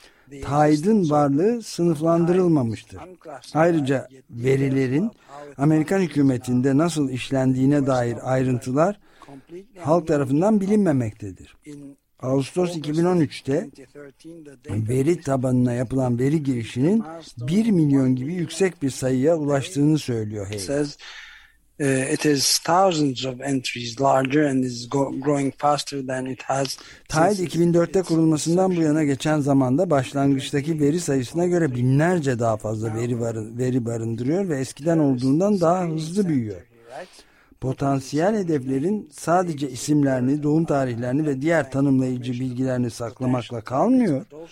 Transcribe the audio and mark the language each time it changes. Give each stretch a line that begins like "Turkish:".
Turkish: TIDE'ın varlığı sınıflandırılmamıştır. Ayrıca verilerin Amerikan hükümetinde nasıl işlendiğine dair ayrıntılar halk tarafından bilinmemektedir. Ağustos 2013'te veri tabanına yapılan veri girişinin 1 milyon gibi yüksek bir sayıya ulaştığını söylüyor Hale.
English: It is thousands of entries larger and is growing faster than it has.
Turkish: TIDE 2004'te kurulmasından bu yana geçen zamanda başlangıçtaki veri sayısına göre binlerce daha fazla veri barındırıyor ve eskiden olduğundan daha hızlı büyüyor. potansiyel hedeflerin sadece isimlerini, doğum tarihlerini ve diğer tanımlayıcı bilgilerini saklamakla kalmıyor.